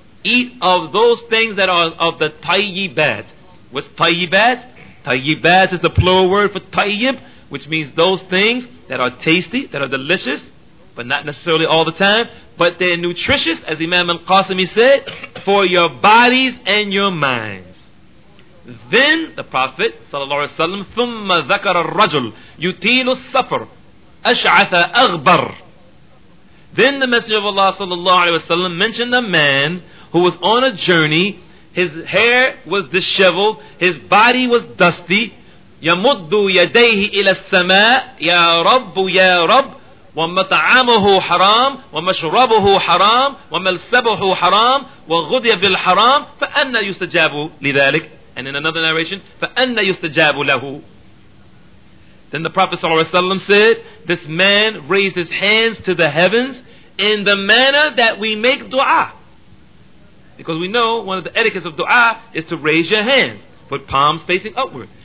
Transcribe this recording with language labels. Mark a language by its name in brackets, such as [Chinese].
[English] Eat of those things that are of the tayyibat. What's tayyibat? Tayyibat is the plural word for tayyib, which means those things that are tasty, that are delicious, but not necessarily all the time. But they're nutritious, as Imam Al-Qasimi said, for your bodies and your minds. Then the Prophet sallallahu alaihi wasallam, [Arabic] ثم ذكر الرجل يطيل السفر أشعث أغبر. [English] Then the Messenger of Allah sallallahu alaihi wasallam mentioned a man who was on a journey. His hair was disheveled, his body was dusty. [Arabic] يمد يديه إلى السماء يا رب يا رب ومطعمه حرام ومشربه حرام وملسبه حرام وغذي بالحرام فأنا يستجاب لذلك. [English] And in another narration, [Arabic] فَأَنَّ يُسْتَجَابُ لَهُ. [English] Then the Prophet ﷺ said, this man raised his hands to the heavens in the manner that we make dua. Because we know one of the etiquettes of dua is to raise your hands, put palms facing upward.